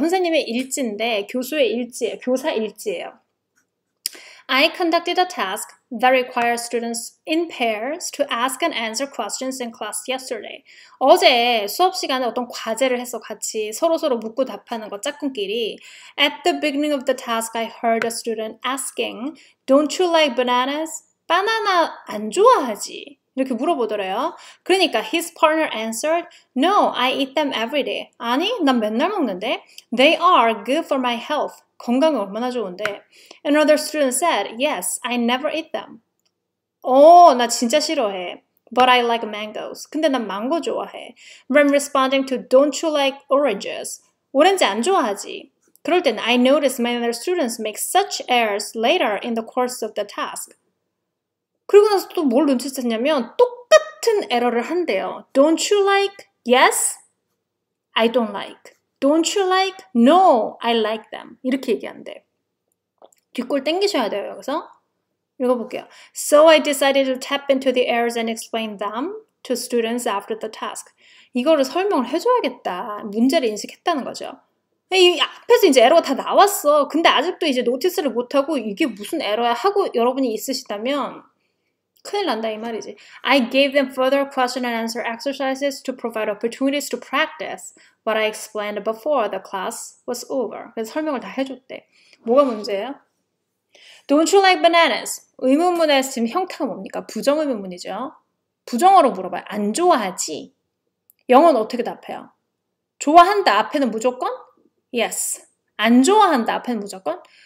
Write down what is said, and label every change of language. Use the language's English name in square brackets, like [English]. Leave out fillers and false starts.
[Korean] 선생님의 일지인데 교수의 일지예요. 교사 일지예요. [English] I conducted a task that requires students in pairs to ask and answer questions in class yesterday. [Korean] 어제 수업 시간에 어떤 과제를 했어. 같이 서로서로 묻고 답하는 거, 짝꿍끼리. [English] At the beginning of the task, I heard a student asking, "Don't you like bananas?" [Korean] 바나나 안 좋아하지? 이렇게 물어보더래요. 그러니까 [English] his partner answered, "No, I eat them every day." [Korean] 아니, 난 맨날 먹는데. [English] They are good for my health. [Korean] 건강에 얼마나 좋은데. [English] Another student said, "Yes, I never eat them." [Korean] 오, 나 진짜 싫어해. [English] But I like mangoes. [Korean] 근데 난 망고 좋아해. [English] When responding to, "Don't you like oranges?" [Korean] 오렌지 안 좋아하지? 그럴 땐 [English] I noticed many other students make such errors later in the course of the task. [Korean] 그리고 나서 또뭘 눈치챘냐면 똑같은 에러를 한대요. [English] Don't you like? Yes? I don't like. Don't you like? No, I like them. [Korean] 이렇게 얘기한대. 뒷골 땡기셔야 돼요, 여기서. 읽어볼게요. [English] So I decided to tap into the errors and explain them to students after the task. [Korean] 이거를 설명을 해줘야겠다. 문제를 인식했다는 거죠. 이 앞에서 이제 에러가 다 나왔어. 근데 아직도 이제 노티스를 못하고 이게 무슨 에러야 하고 여러분이 있으시다면 큰일 난다 이 말이지. [English] I gave them further question and answer exercises to provide opportunities to practice what I explained before the class was over. [Korean] 그래서 설명을 다 해줬대. 뭐가 문제예요? [English] Don't you like bananas? [Korean] 의문문에서 지금 형태가 뭡니까? 부정의문문이죠. 부정어로 물어봐요. 안 좋아하지? 영어는 어떻게 답해요? 좋아한다 앞에는 무조건? [English] Yes. [Korean] 안 좋아한다 앞에는 무조건?